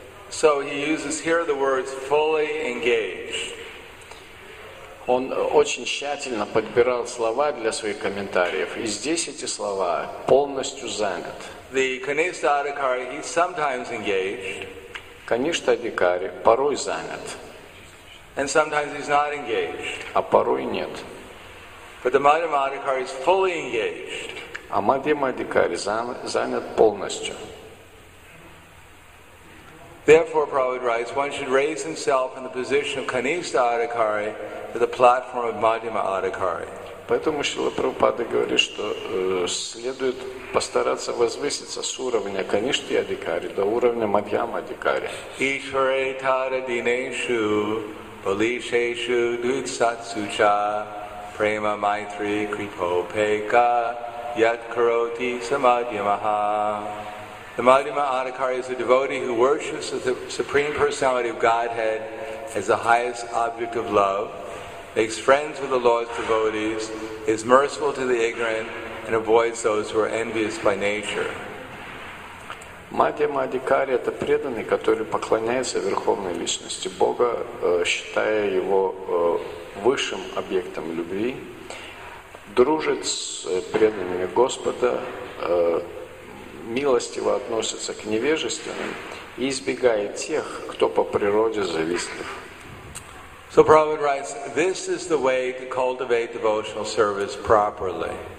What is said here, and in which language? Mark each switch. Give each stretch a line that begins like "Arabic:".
English: So he uses here the words fully engaged.
Russian: Он очень тщательно подбирал слова для своих комментариев. И здесь эти слова полностью занят.
English: The Kanishtha Adhikari, he's sometimes engaged.
Russian: Kanishtha Adhikari порой занят.
English: And sometimes he's not engaged.
Russian: А порой нет.
English: But the Madhyama Adhikari is fully engaged.
Russian: А Мадхьяма Адхикари занят полностью.
English: Therefore, Prabhupada writes, one should raise himself in the position of Kanishtha Adhikari to the platform of Madhyama Adhikari.
Russian: Поэтому Шрила Прабхупада говорит, что следует постараться возвыситься с уровня Kanishtha Adhikari до уровня Madhyama Adhikari.
Sanskrit: Ishvare tara dineshu palisheshu dutsatsucha prema maitri kripopeka yat karoti samadhyamaha.
English: The Madhyama Adhikari is a devotee who worships the Supreme Personality of Godhead as the highest object of love makes friends with the Lord's devotees, is merciful to the ignorant, and avoids those who are envious by nature.
Russian: Матхья Мадхикари – это преданный, который поклоняется Верховной Личности Бога, считая его высшим объектом любви, дружит с преданными Господа, милостиво относится к невежественным и избегает тех, кто по природе завистлив.
English: So Prabhupada writes, this is the way to cultivate devotional service properly.